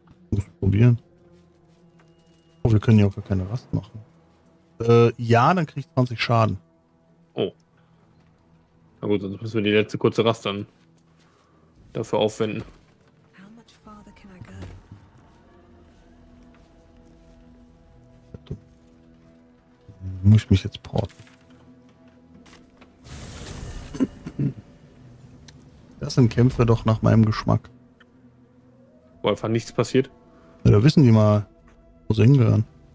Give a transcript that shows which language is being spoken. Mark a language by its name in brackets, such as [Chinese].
[German] Muss ich probieren. Oh, wir können ja auch gar keine Rast machen. Ja, dann krieg ich 20 Schaden. Oh. Na gut, sonst müssen wir die letzte kurze Rast dann dafür aufwenden. [English] How much farther can I go? [German] Muss ich mich jetzt porten? Das sind Kämpfe doch nach meinem Geschmack. Wo einfach nichts passiert? Ja, da wissen die mal, wo sie hingehören.